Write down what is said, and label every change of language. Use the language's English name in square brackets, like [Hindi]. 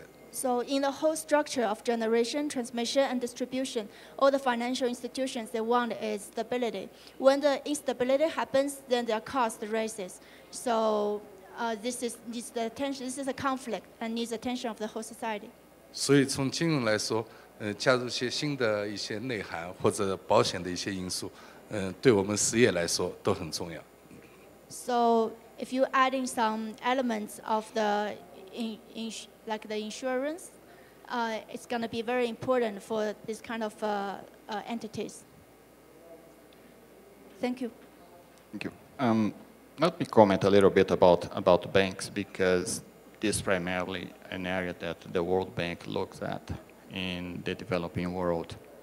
[English] So in the whole structure of generation, transmission, and distribution, all the financial institutions they want is stability. When the instability happens, then their cost raises. So this is the tension. This is a conflict and needs attention of the whole society. [Chinese] 所以从金融来说，加入一些新的一些内涵或者保险的一些因素。对我们实业来说都很重要。 [English] So if you add in some elements of the like the insurance, it's going to be very important for this kind of entities. Thank you. Thank you. Let me comment a little bit about banks, because this is primarily an area that the World Bank looks at in the developing world.